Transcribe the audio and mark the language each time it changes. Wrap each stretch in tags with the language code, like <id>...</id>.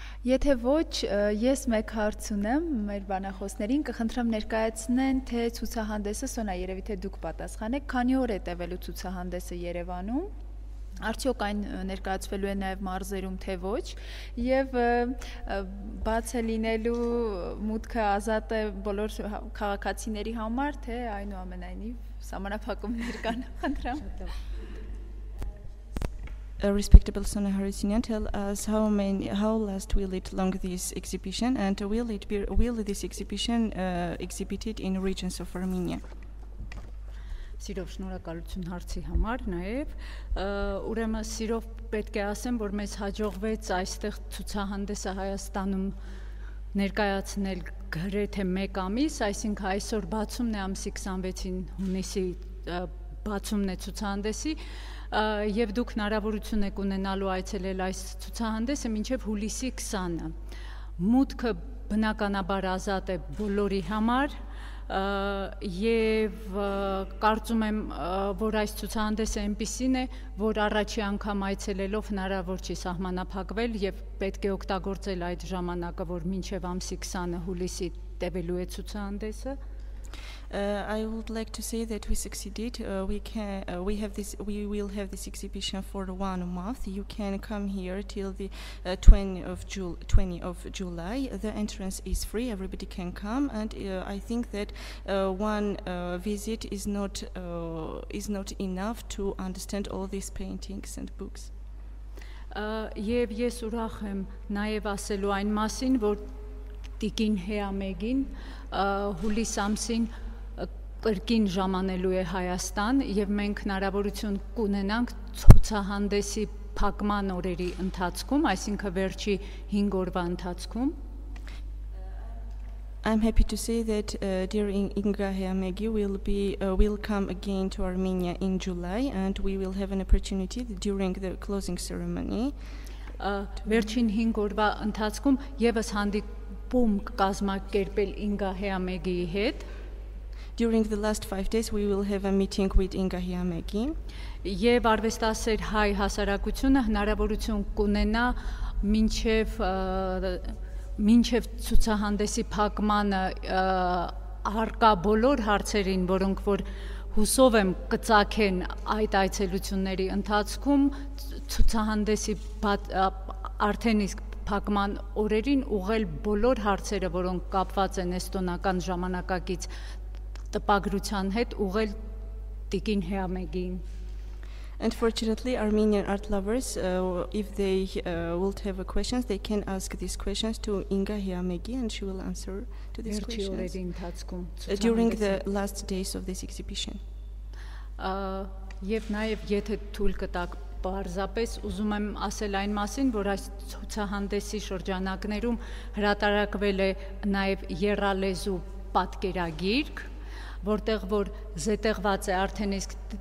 <hy>Եթե ոչ, ես մեկ հարց ունեմ մեր բանախոսներին, կխնդրեմ ներկայացնեն, թե ցուցահանդեսը, Սոնա, երևի թե դուք պատասխանեք, քանի օր է տևելու ցուցահանդեսը Երևանում։ Արդյոք այն ներկայացվելու է նաև մարզերում, թե ոչ, եւ բաց է լինելու մուտքը ազատ է բոլոր քաղաքացիների համար, թե այնուամենայնիվ սահմանափակումներ կան, խնդրեմ։</hy> <en>A respectable Sona Harisinian, tell us how last will it long this exhibition, and will this exhibition exhibited in regions of Armenia?</en> <hy>Սիրով շնորհակալություն հարցի համար նաև։ Ուրեմն սիրով պետք է ասեմ, որ մեզ հաջողվեց այստեղ ցուցահանդեսը Հայաստանում ներկայացնել գրեթե մեկ ամիս, այսինքն այսօր բացումն է ամսի 26-ին հունիսի բացումն է ցուցահանդեսի, եւ դուք հնարավորություն եք ունենալու այցելել այս ցուցահանդեսը մինչեւ հուլիսի 20-ը։ Մուտքը բնականաբար ազատ է բոլորի համար, եւ կարծում եմ, որ այս ցուցահանդեսը այնպիսին է, որ առաջի անգամ այցելելով հնարավոր չի սահմանափակվել, եւ պետք է օգտագործել այդ ժամանակը, որ մինչեւ ամսի 20-ը հուլիսի տևելու է ցուցահանդեսը։</hy> <en>I would like to say that we succeeded. We will have this exhibition for 1 month. You can come here till the 20th of July. The entrance is free. Everybody can come, and I think that one visit is not enough to understand all these paintings and books.</en> <hy>Եվ ես ուրախ եմ նաև ասելու այն մասին, որ տիկին Հեամեգին հուլիս ամսին կրկին ժամանելու է Հայաստան, եւ մենք հնարավորություն կունենանք ցուցահանդեսի փակման օրերի ընթացքում, այսինքն վերջի 5 օրվա ընթացքում.</hy> <en>I'm happy to say that dear Inga Hayamegi will come again to Armenia in July, and we will have an opportunity during the closing ceremony.</en> <hy>Վերջին 5 օրվա ընթացքում եւս հանդիպում կկազմակերպել Inga Hayamegi-ի հետ.</hy> <en>During the last 5 days, we will have a meeting with Inga Hayamegi.</en> <hy>Եվ արվեստասեր հայ հասարակությունը հնարավորություն կունենա մինչև ցուցահանդեսի փակմանը առկա բոլոր հարցերին, որոնք որ հուսով եմ կծակեն այդ այցելությունների ընթացքում, ցուցահանդեսի արդեն իսկ փակման օրերին ուղղել բոլոր հարցերը, որոնք կապված են էստոնական ժամանակակից տպագրության հետ, ուղել տիկին Հեամեգին։</hy> <en>Unfortunately, Armenian art lovers, if they would have questions, they can ask these questions to Inga Hayamegi, and she will answer to these questions during the last days of this exhibition.</en> <hy>Եվ նաև, եթե թույլ կտաք, պարզապես ուզում եմ ասել այն մասին, որ այս ցուցահանդեսի շրջանակներում հրատարակվել է նաև երալեզու պատկերագիրք, որտեղ որ զետեղված է արդեն իսկ</hy>